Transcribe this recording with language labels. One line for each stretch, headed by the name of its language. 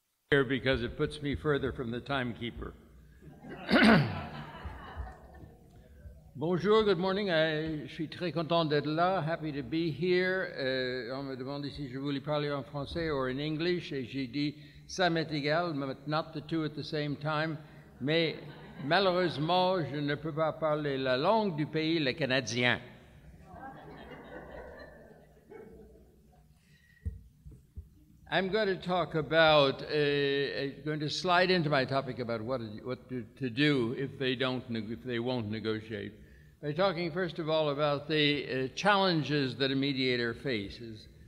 English: Here because it puts me further from the timekeeper.
French: Bonjour,
English: good morning.
French: Je suis très content d'être là,
English: happy to be here.
French: On me demande si je voulais parler en français
English: or in English,
French: et j'ai dit ça m'est égal,
English: but not the two at the same time.
French: Mais malheureusement, je ne peux pas parler la langue du pays, le canadien.
English: I'm going to talk about, going to slide into my topic about what to do if they don't, if they won't negotiate. By talking first of all about the challenges that a mediator faces.